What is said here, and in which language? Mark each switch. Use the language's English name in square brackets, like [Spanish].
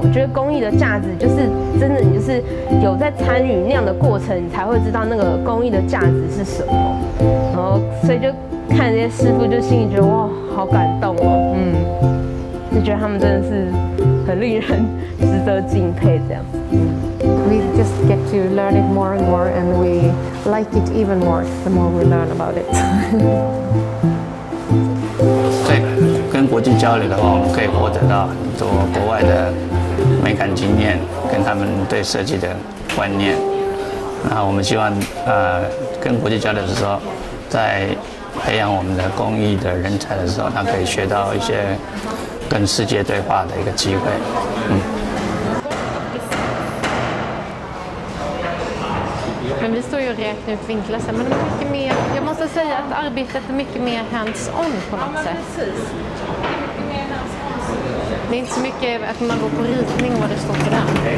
[Chinese] 我觉得工艺的价值就是真的，你就是有在参与那样的过程，你才会知道那个工艺的价值是什么。然后所以就看这些师傅，就心里觉得哇，好感动哦，嗯。就觉得他们真的是很令人值得敬佩这样。 [English] We just get to learn it more and more, and we like it even more the more we learn about it. [Chinese] 对，跟国际交流的话，我们可以获得到很多国外的美感经验，跟他们对设计的观念。那我们希望，跟国际交流的时候，在培养我们的工艺的人才的时候，他可以学到一些。跟世界对话的一个机会，嗯。 [Swedish] Men vi står ju och räknar upp vinklar sen, men det är mycket mer. Jag måste säga att arbetet är mycket mer hands-on på något sätt. Det är inte så mycket att man går på ritning vad det står på den.